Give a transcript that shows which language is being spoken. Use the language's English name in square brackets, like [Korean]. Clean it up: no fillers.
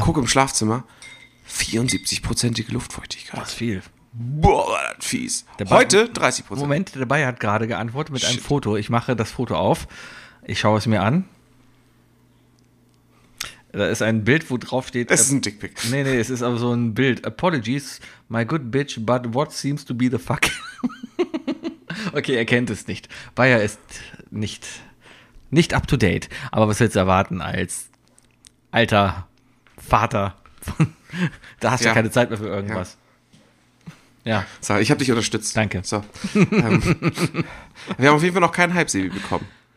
[German] Gucke im Schlafzimmer, 74%ige Luftfeuchtigkeit. Das ist viel. Boah, war das fies. Heute 30%. Moment, der Bayer hat gerade geantwortet mit einem Foto. Ich mache das Foto auf. Ich schaue es mir an. Da ist ein Bild, wo drauf steht. Es ist ein Dickpic. Nee, es ist aber so ein Bild. [English] Apologies, my good bitch, but what seems to be the fuck? [German] Okay, er kennt es nicht. Bayer ist nicht up to date. Aber was willst du erwarten als alter Vater, da hast du ja keine Zeit mehr für irgendwas. Ja. So, ich habe dich unterstützt. Danke. So, wir haben auf jeden Fall noch keinen Hype-Sebi bekommen.